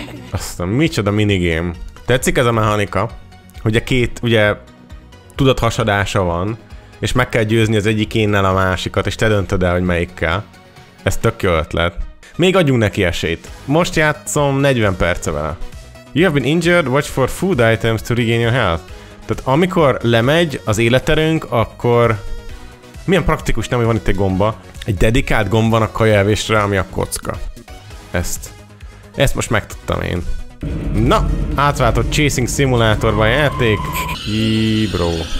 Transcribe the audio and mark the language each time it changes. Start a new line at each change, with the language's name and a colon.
Hungarian: Aztán, micsoda minigame. Tetszik ez a mechanika, hogy a két, ugye, tudathasadása van, és meg kell győzni az egyikénnel a másikat, és te döntöd el, hogy melyikkel. Ez tök jó ötlet. Még adjunk neki esélyt. Most játszom 40 perce vele.
English: You have been injured, watch for food items to regain your health.
Hungarian: Tehát amikor lemegy az életerőnk, akkor... Milyen praktikus, nem, hogy van itt egy gomba. Egy dedikált gomb van a kajelvésre, ami a kocka. Ezt most megtudtam én. Na, átváltott Chasing Simulatorban játék. Jííííí, bro.